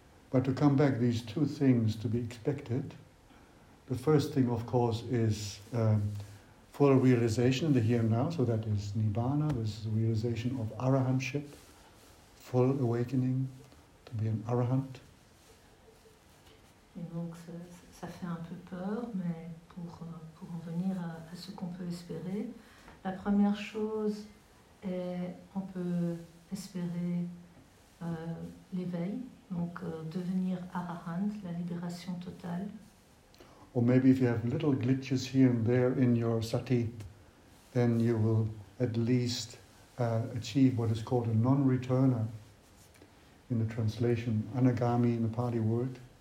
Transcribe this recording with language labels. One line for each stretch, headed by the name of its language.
English: But to come back, these two things to be expected. The first thing, of course, is full realization in the here and now. So that is Nibbana, this is the realization of arahantship, full awakening, to be an arahant.
French: Et donc, ça fait un peu peur, mais pour en venir à ce qu'on peut espérer, la première chose est on peut espérer l'éveil, donc devenir arahant, la libération totale.
English: Or maybe if you have little glitches here and there in your sati, then you will at least achieve what is called a non-returner in the translation, anagami in the Pali word.